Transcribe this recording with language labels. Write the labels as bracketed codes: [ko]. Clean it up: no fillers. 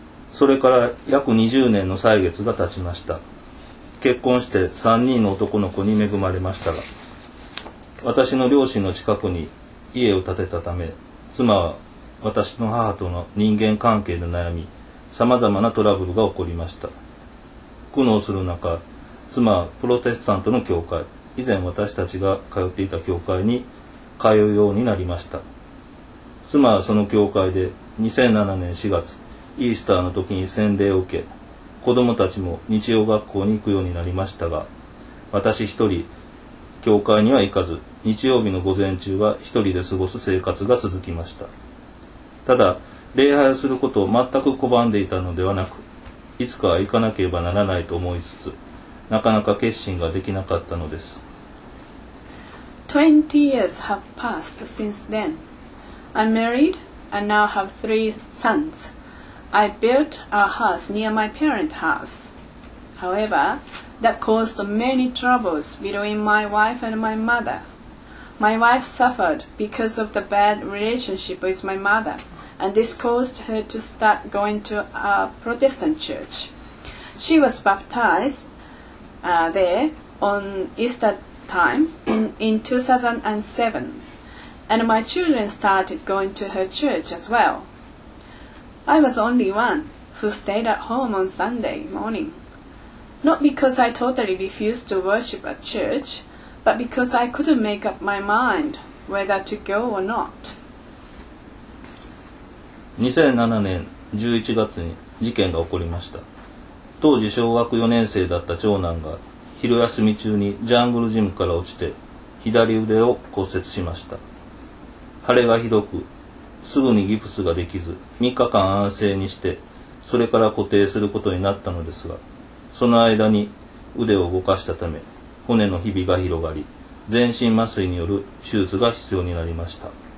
[ja] それから約20年の歳月が経ちました。結婚して3人の男の子に恵まれましたが、私の両親の近くに家を建てたため、妻は私の母との人間関係で悩み、さまざまなトラブルが起こりました。苦悩する中、妻はプロテスタントの教会、以前私たちが通っていた教会に通うようになりました。妻はその教会で2007年4月イースターの時に洗礼を受け、子供たちも日曜学校に行くようになりましたが、私一人教会には行かず、日曜日の午前中は一人で過ごす生活が続きました。ただ礼拝をすることを全く拒んでいたのではなく、いつかは行かなければならないと思いつつ、なかなか決心ができなかったのです。 [en] 20 years have passed since then. I'm married and now have 3 sons. I built a house near my parent's house. However, that caused many troubles between my wife and my mother. My wife suffered because of the bad relationship with my mother, and this caused her to start going to a Protestant church. She was baptizedthere on Easter time in 2007, and my children started going to her church as well. I was only one who stayed at home on Sunday morning, not because I totally refused to worship at church, but because I couldn't make up my mind whether to go or not. [ja] 2007年11月に事件が起こりました。当時小学4年生だった長男が昼休み中にジャングルジムから落ちて左腕を骨折しました。腫れがひどく、すぐにギプスができず3日間安静にして、それから固定することになったのですが、その間に腕を動かしたため骨のひびが広がり、全身麻酔による手術が必要になりました。